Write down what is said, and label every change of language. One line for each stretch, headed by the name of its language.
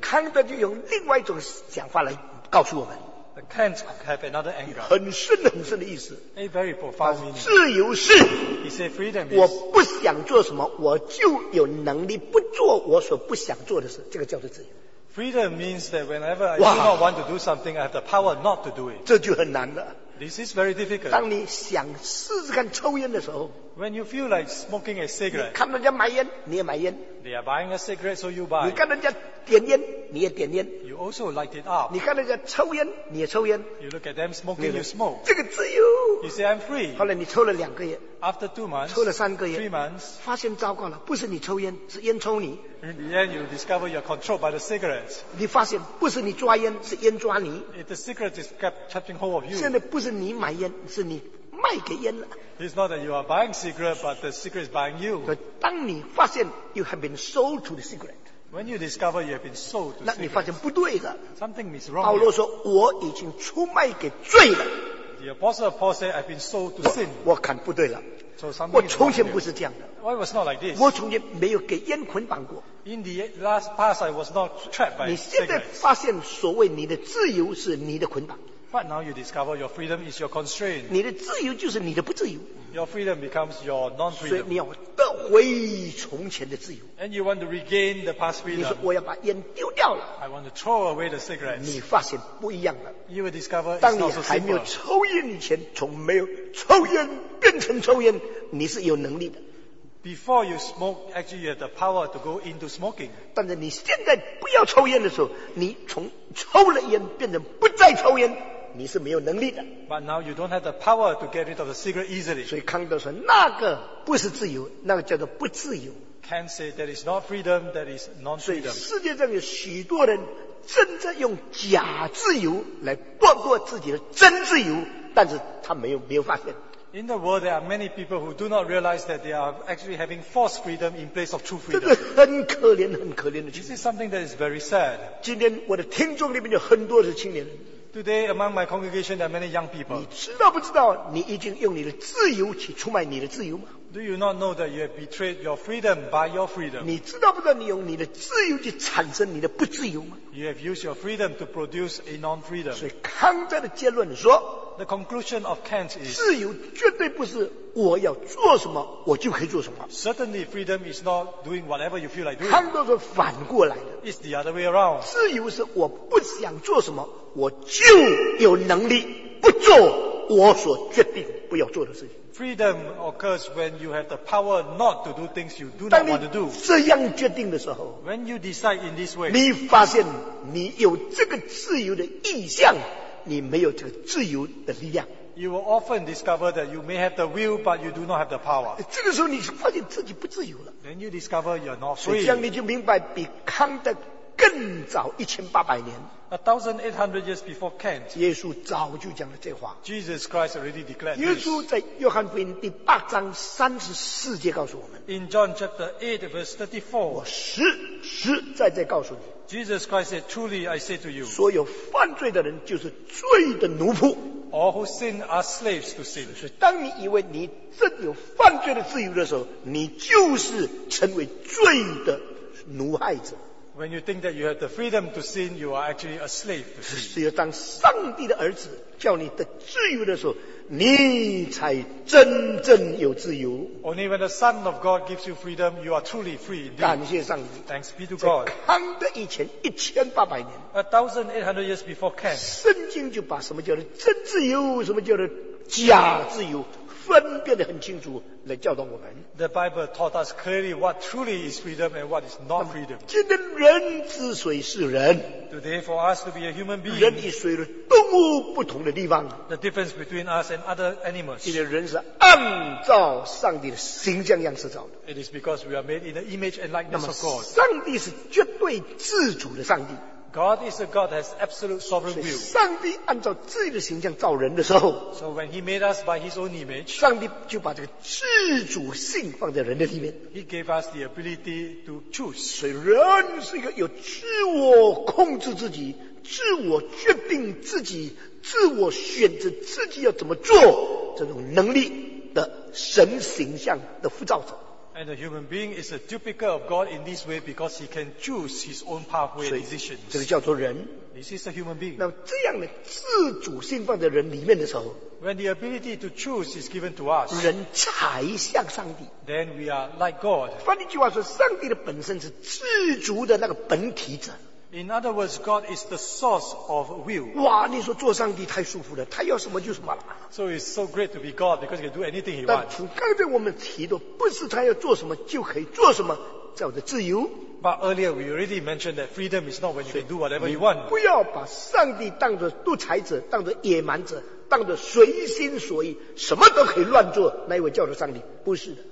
Chinese: 康德就用另外一种想法来告诉我们。
English: Kant have another anger.
Chinese: 很深很深的意思。
English: A very profound meaning.
Chinese: 自由是。
English: He said freedom is.
Chinese: 我不想做什么，我就有能力不做我所不想做的事，这个叫做自由。
English: Freedom means that whenever I do not want to do something, I have the power not to do it.
Chinese: 这就很难了。
English: This is very difficult.
Chinese: 当你想试试看抽烟的时候
English: ，When you feel like smoking a cigarette，
Chinese: 你看人家买烟，你也买烟。
English: They are buying a cigarette, so you buy.
Chinese: 你看人家点烟，你也点烟。
English: You also light it up.
Chinese: 你看人家抽烟，你也抽烟。
English: You look at them smoking, you smoke.
Chinese: 这个自由。
English: You say I'm free.
Chinese: 后来你抽了两个月。
English: After 2 months.
Chinese: 抽了三个月。
English: 3 months.
Chinese: 发现糟糕了，不是你抽烟，是烟抽你。
English: In the end, you discover you're controlled by the cigarettes.
Chinese: 你发现不是你抓烟，是烟抓你。
English: If the cigarette is kept catching hold of you.
Chinese: 现在不是你买烟，是你卖给烟了。
English: It's not that you are buying cigarette, but the cigarette is buying you.
Chinese: 当你发现
English: you have been sold to the cigarette, when you discover you have been sold to the cigarette,
Chinese: 那你发现不对了。
English: Something is wrong.
Chinese: 保罗说：“我已经出卖给罪了。”
English: The apostle Paul said, "I've been sold to sin."
Chinese: 我看不对了。
English: So something is wrong.
Chinese: 我从前不是这样的。
English: Well, it was not like this.
Chinese: 我从前没有给烟捆绑过。
English: In the last past, I was not trapped by cigarettes.
Chinese: 你现在发现所谓你的自由是你的捆绑。
English: But now you discover your freedom is your constraint.
Chinese: 你的自由就是你的不自由。
English: Your freedom becomes your non-freedom.
Chinese: 所以你要得回从前的自由。
English: And you want to regain the past freedom.
Chinese: 你说我要把烟丢掉了。
English: I want to throw away the cigarettes.
Chinese: 你发现不一样了。
English: You will discover it's not so simple.
Chinese: 当你还没有抽烟以前，从没有抽烟变成抽烟，你是有能力的。
English: Before you smoke, actually you have the power to go into smoking.
Chinese: 但是你现在不要抽烟的时候，你从抽了烟变成不再抽烟。你是没有能力的。
English: But now you don't have the power to get rid of the cigarette easily.
Chinese: 所以康德说，那个不是自由，那个叫做不自由。
English: Kant say that is not freedom, that is non-freedom.
Chinese: 所以世界上有许多人正在用假自由来剥夺自己的真自由，但是他没有发现。
English: In the world, there are many people who do not realize that they are actually having false freedom in place of true freedom.
Chinese: 个很可怜，很可怜的。
English: This is something that is very sad.
Chinese: 今天我的听众里面有很多是青年人。
English: Today, among my congregation, there are many young people.
Chinese: 你知道不知道你已经用你的自由去出卖你的自由吗？
English: Do you not know that you have betrayed your freedom by your freedom?
Chinese: 你知道不知道你用你的自由去产生你的不自由吗？
English: You have used your freedom to produce a non-freedom.
Chinese: 所以康德的结论说，
English: The conclusion of Kant is,
Chinese: 自由绝对不是我要做什么我就可以做什么。
English: Certainly, freedom is not doing whatever you feel like doing.
Chinese: 康德是反过来的，
English: It's the other way around.
Chinese: 自由是我不想做什么我就有能力不做我所决定不要做的事情。
English: Freedom occurs when you have the power not to do things you do not want to do.
Chinese: 这样决定的时候，
English: when you decide in this way,
Chinese: 你发现你有这个自由的意向，你没有这个自由的力量。
English: You will often discover that you may have the will, but you do not have the power.
Chinese: 这个时候你发现自己不自由了。
English: Then you discover you are not free.
Chinese: 所以这样你就明白，比康德更早1800年。
English: 1800 years before Kant,
Chinese: 耶稣早就讲了这话。
English: Jesus Christ already declared this.
Chinese: 耶稣在约翰福音第八章34节告诉我们。
English: In John chapter 8 verse 34,
Chinese: 我实实在在告诉你。
English: Jesus Christ said, truly I say to you,
Chinese: 所有犯罪的人就是罪的奴仆。
English: All who sin are slaves to sin.
Chinese: 所以当你以为你真有犯罪的自由的时候，你就是成为罪的奴害者。
English: When you think that you have the freedom to sin, you are actually a slave to sin.
Chinese: 只有当上帝的儿子叫你得自由的时候，你才真正有自由。
English: Only when the Son of God gives you freedom, you are truly free.
Chinese: 感谢上帝。
English: Thanks be to God.
Chinese: 在康德以前1800年。
English: 1800 years before Kant.
Chinese: 圣经就把什么叫做真自由，什么叫做假自由。分辨得很清楚来教导我们。
English: The Bible taught us clearly what truly is freedom and what is not freedom.
Chinese: 今天人之所以是人，
English: Today for us to be a human being,
Chinese: 人与水的动物不同的地方，
English: The difference between us and other animals,
Chinese: 因为人是按照上帝的形象样式造的。
English: It is because we are made in the image and likeness of God.
Chinese: 上帝是绝对自主的上帝。
English: God is a God that has absolute sovereign will.
Chinese: 上帝按照自己的形象造人的时候，
English: So when he made us by his own image,
Chinese: 上帝就把这个自主性放在人的里面。
English: He gave us the ability to choose.
Chinese: 所以人是一个有自我控制自己，自我决定自己，自我选择自己要怎么做，这种能力的神形象的复造者。
English: And a human being is a duplicate of God in this way because he can choose his own pathway and decisions.
Chinese: 这个叫做人。
English: This is a human being.
Chinese: 那么这样的自主性放在人里面的时候，
English: When the ability to choose is given to us,
Chinese: 人才像上帝。
English: Then we are like God.
Chinese: 换一句话说，上帝的本身是自主的那个本体者。
English: In other words, God is the source of will.
Chinese: 哇，你说做上帝太舒服了，他要什么就什么了。
English: So it's so great to be God because he can do anything he wants.
Chinese: 但刚才我们提的不是他要做什么就可以做什么，叫做自由。
English: But earlier we already mentioned that freedom is not when you can do whatever you want.
Chinese: 不要把上帝当作独裁者，当作野蛮者，当作随心所欲，什么都可以乱做，那位叫做上帝，不是的。